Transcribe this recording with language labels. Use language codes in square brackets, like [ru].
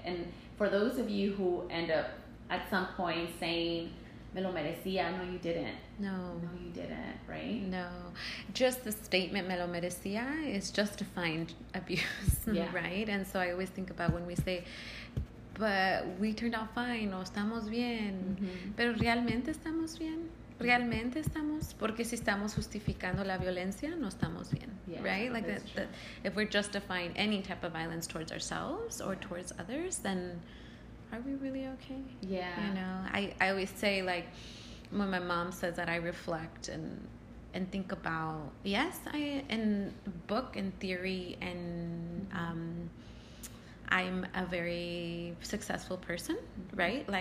[en] And for those of you who end up at some point saying, [es] me lo merecía, [en] no, you didn't. No, you didn't, right? No. Just the statement, [es] me lo merecía, [en] is justifying abuse, yeah. Right? And so I always think about when we say, but we turned out fine, [es] o estamos bien, [en] mm-hmm. [es] pero realmente estamos bien. Realmente estamos, porque si estamos justificando la violencia, no estamos bien, [en] yeah, right? Like that, if we're justifying any type of violence towards ourselves or towards others, then are we really okay? Yeah. You know, I always say, like, when my mom says that, I reflect and think about, yes, I in book and theory and I'm a very successful person, right?